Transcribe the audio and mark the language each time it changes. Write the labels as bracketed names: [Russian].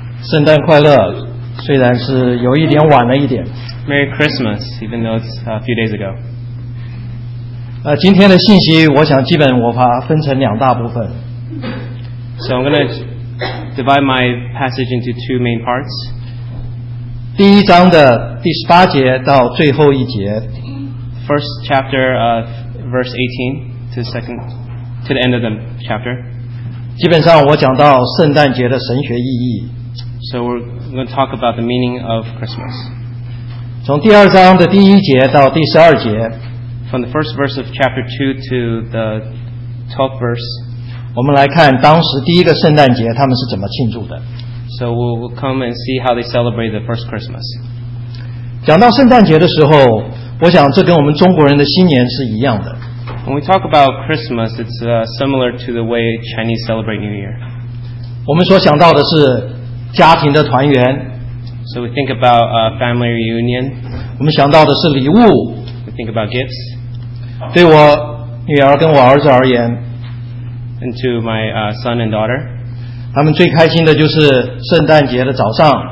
[Chinese] 圣诞快乐，虽然是有一点晚了一点。 [English] Merry Christmas, even though it's a few days ago. [Chinese] 今天的信息，我想基本我把分成两大部分。 [English] So I'm going to divide my passage into two main parts. [Chinese] 第一章的第十八节到最后一节。 [English] First chapter of verse 18 to the end of the chapter. [Chinese] 基本上我讲到圣诞节的神学意义。 [English] So we're going to talk about the meaning of Christmas. [Chinese] 从第二章的第一节到第十二节。 [English] From the first verse of chapter 2 to the 12th verse. [Chinese] 我们来看当时第一个圣诞节他们是怎么庆祝的。 [English] So we'll come and see how they celebrate the first Christmas. [Chinese] 讲到圣诞节的时候，我想这跟我们中国人的新年是一样的。 [English] When we talk about Christmas, it's similar to the way Chinese celebrate New Year. [Chinese] 我们所想到的是家庭的团圆。 [English] So we think about a family reunion. [Chinese] 我们想到的是礼物。 [English] We think about gifts. [Chinese] 对我女儿跟我儿子而言。 [English] And to my son and daughter. [Chinese] 他们最开心的就是圣诞节的早上。